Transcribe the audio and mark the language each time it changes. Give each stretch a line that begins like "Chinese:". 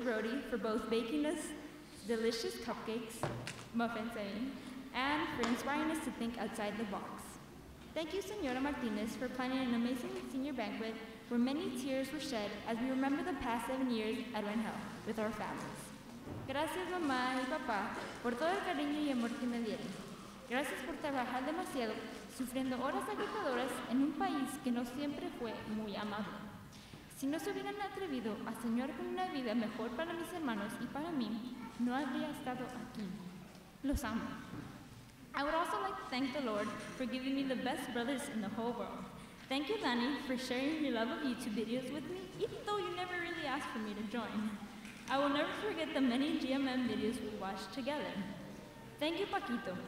English: Rohde, for both baking us delicious cupcakes, muffins, I mean, and for inspiring us to think outside the box. Thank you, Senora Martinez, for planning an amazing senior banquet where many tears were shed as we remember the past 7 years at Edwin Hill with our families.
Spanish: Gracias, mamá y papá, por todo el cariño y amor que me dieron. Gracias por trabajar demasiado, sufriendo horas agotadoras en un país que no siempre fue muy amable. Si no se hubieran atrevido a soñar con una vida mejor para mis hermanos y para mí, no habría estado aquí. Los amo.
English: I would also like to thank the Lord for giving me the best brothers in the whole world. Thank you, Dani, for sharing your love of YouTube videos with me, even though you never really asked for me to join. I will never forget the many GMM videos we watched together. Thank you, Paquito.